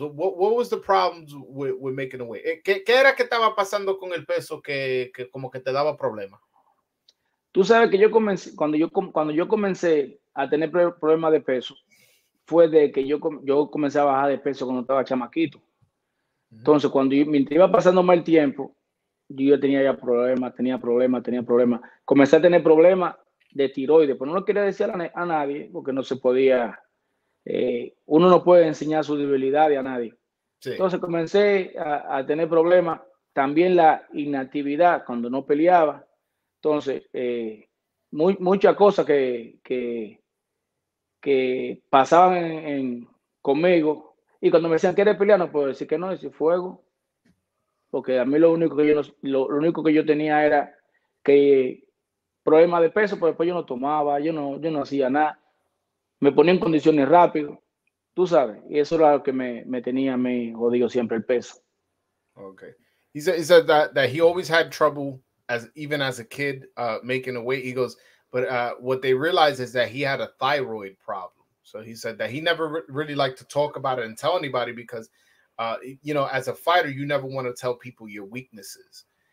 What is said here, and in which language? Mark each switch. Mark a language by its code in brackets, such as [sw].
[en] What was the problems with making a weight? [es] ¿Qué era que estaba pasando con el peso que como que te daba problema? Tú sabes que yo comencé, cuando yo comencé a tener problemas de peso, fue de que yo comencé a bajar de peso cuando estaba chamaquito. Entonces, mientras iba pasando mal tiempo, yo tenía ya problemas, tenía problemas. Comencé a tener problemas de tiroides, pero no lo quería decir a nadie, porque no se podía. Uno no puede enseñar su debilidad a nadie. Sí. Entonces, comencé a tener problemas. También la inactividad cuando no peleaba. Entonces, muchas cosas que pasaban conmigo. Y cuando me decían que eres peleano, puedo decir que no, es fuego. Porque a mí lo único que yo tenía era que problema de peso, pero después yo no tomaba, yo no hacía nada. Me ponía en condiciones rápido, tú sabes. Y eso era lo que me tenía a mí, jodido siempre, el peso. Okay. [en] He said that he always had trouble, even as a kid, making a weight. He goes, but what they realized is that he had a thyroid problem. So he said that he never really liked to talk about it and tell anybody because, you know, as a fighter, you never want to tell people your weaknesses.